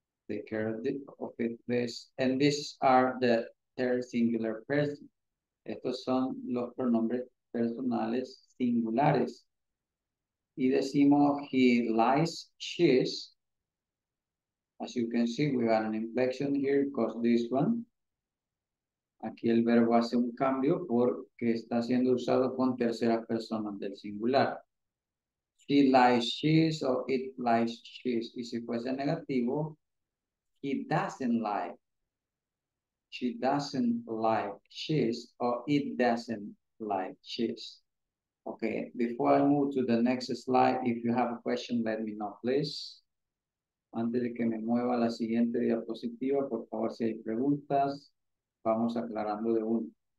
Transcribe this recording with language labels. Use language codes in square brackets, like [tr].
[en] Take care of it, please. And these are the third singular person. [es] Estos son los pronombres personales singulares. Y decimos, [en] he likes cheese. As you can see, we got an inflection here because this one. [es] Aquí el verbo hace un cambio porque está siendo usado con tercera persona del singular. [en] He likes cheese or it likes cheese. [es] Y si fuese negativo, [en] he doesn't like. She doesn't like cheese or it doesn't like cheese. Okay, before I move to the next slide, if you have a question, let me know, please. [es] Antes de que me mueva a la siguiente diapositiva, por favor, si hay preguntas, vamos aclarando de uno.